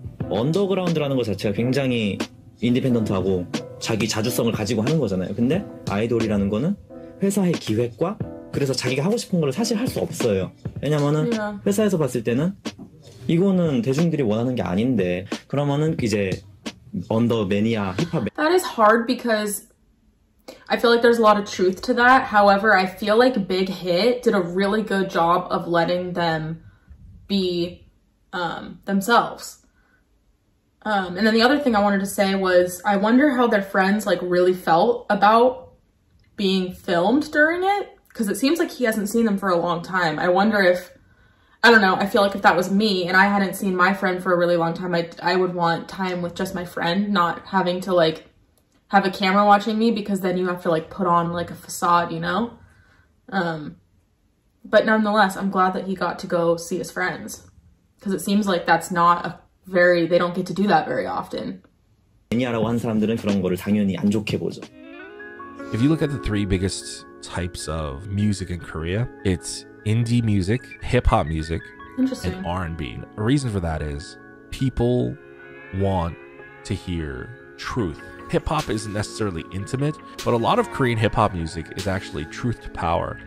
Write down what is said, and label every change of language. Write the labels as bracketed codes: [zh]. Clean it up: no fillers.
[ko] 언더그라운드라는 거 자체가 굉장히 인디펜던트하고 자기 자주성을 가지고 하는 거잖아요. 근데 아이돌이라는 거는 회사의 기획과 그래서 자기가 하고 싶은 걸 사실 할 수 없어요. 왜냐면은 회사에서 봤을 때는 이거는 대중들이 원하는 게 아닌데 그러면은 이제 언더 매니아 힙합. [en] That is hard because I feel like there's a lot of truth to that. However, I feel like Big Hit did a really good job of letting them be themselves. And then the other thing I wanted to say was, I wonder how their friends like really felt about being filmed during it. Because it seems like he hasn't seen them for a long time. I wonder if, I don't know, I feel like if that was me and I hadn't seen my friend for a really long time, I would want time with just my friend, not having to like have a camera watching me, because then you have to like put on like a facade, you know? But nonetheless, I'm glad that he got to go see his friends. Because it seems like that's not a very, they don't get to do that very often. [ko] 매니아라고 한 사람들은 그런 거를 당연히 안 좋게 보죠. [en] If you look at the three biggest types of music in Korea, it's indie music, hip-hop music, and R&B. The reason for that is people want to hear truth. Hip-hop isn't necessarily intimate, but a lot of Korean hip-hop music is actually truth to power.